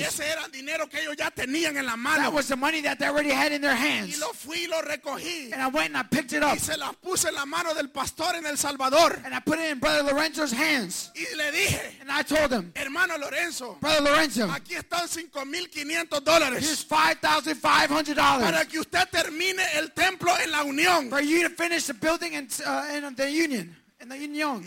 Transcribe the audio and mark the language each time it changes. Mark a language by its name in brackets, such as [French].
[Spanish] Ese era el dinero que ellos ya tenían en la mano. [English] That was the money that they already had in their hands. [Spanish] Y lo fui y lo recogí. [English] And I went and I picked it up. [Spanish] Y se las puse en la mano del pastor en El Salvador. [English] And I put it in Brother Lorenzo's hands. [Spanish] Y le dije, [English] and I told him, [Spanish] hermano Lorenzo, [English] Brother Lorenzo, [Spanish] aquí están $5,500. [English] Here's $5,500. [Spanish] Para que usted termine el templo en la unión. [English] For you to finish the building in the union. In the union.